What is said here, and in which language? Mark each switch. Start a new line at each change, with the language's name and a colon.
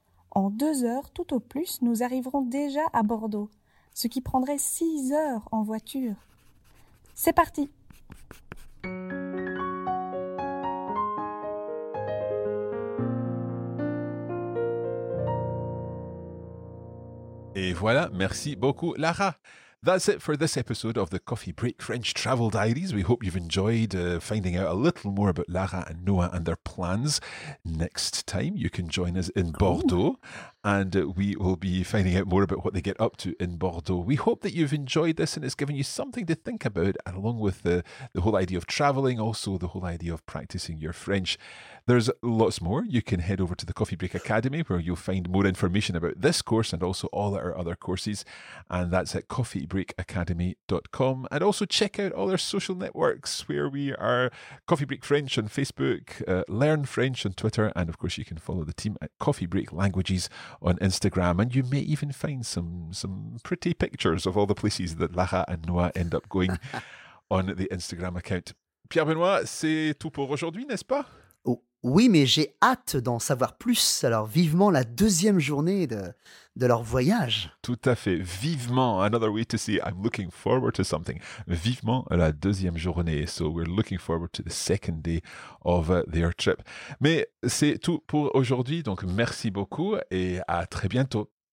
French: En 2 heures tout au plus, nous arriverons déjà à Bordeaux, ce qui prendrait 6 heures en voiture. C'est parti! Et voilà, merci beaucoup Lara.
English: That's it for this episode of the Coffee Break French Travel Diaries. We hope you've enjoyed finding out a little more about Lara and Noah and their plans. Next time, you can join us in Bordeaux. Ooh. And we will be finding out more about what they get up to in Bordeaux. We hope that you've enjoyed this and it's given you something to think about, along with the whole idea of travelling, also the whole idea of practising your French. There's lots more. You can head over to the Coffee Break Academy, where you'll find more information about this course and also all our other courses. And that's at coffeebreakacademy.com. And also check out all our social networks, where we are Coffee Break French on Facebook, Learn French on Twitter. And of course, you can follow the team at Coffee Break Languages.com. on Instagram, and you may even find some pretty pictures of all the places that Lara and Noah end up going on the Instagram account.
French: Pierre-Benoît, c'est tout pour aujourd'hui, n'est-ce pas? Oui, mais j'ai hâte d'en savoir plus. Alors, vivement la deuxième journée de leur voyage. Tout à fait. Vivement.
English: Another way to say I'm looking forward to something.
French: Vivement la deuxième journée.
English: So, we're looking forward to the second day of their trip.
French: Mais c'est tout pour aujourd'hui. Donc, merci beaucoup et à très bientôt.